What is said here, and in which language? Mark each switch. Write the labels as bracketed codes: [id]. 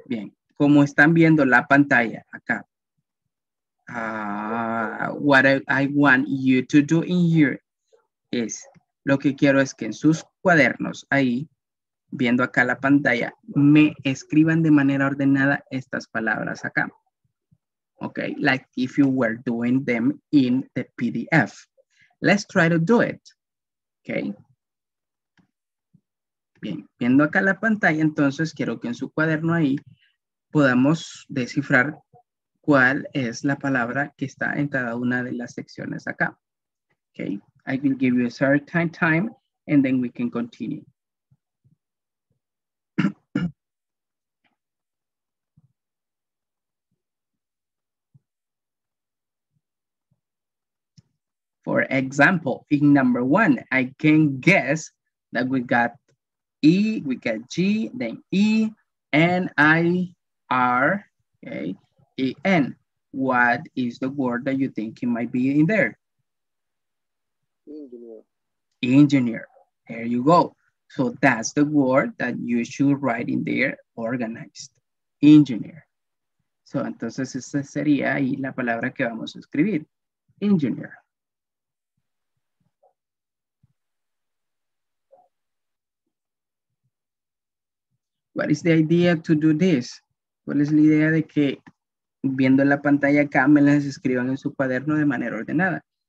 [es] Bien, como están viendo la pantalla acá. [en] What I want you to do in here is, [es] lo que quiero es que en sus cuadernos ahí, viendo acá la pantalla, me escriban de manera ordenada estas palabras acá. [en] Okay, like if you were doing them in the PDF. Let's try to do it. Okay. [es] Bien, viendo acá la pantalla, entonces quiero que en su cuaderno ahí podamos descifrar cuál es la palabra que está en cada una de las secciones acá. [en] Okay, I will give you a certain time and then we can continue. For example, in number 1, I can guess that we got E, we get G, then E, N, I, R, okay, E, N. What is the word that you think it might be in there? Engineer. Engineer. There you go. So that's the word that you should write in there, organized. Engineer. [es] So entonces esa sería ahí la palabra que vamos a escribir. Engineer. [en] What is the idea to do this? [es] ¿Cuál es la idea de que viendo la pantalla acá me las escriban en su cuaderno de manera ordenada?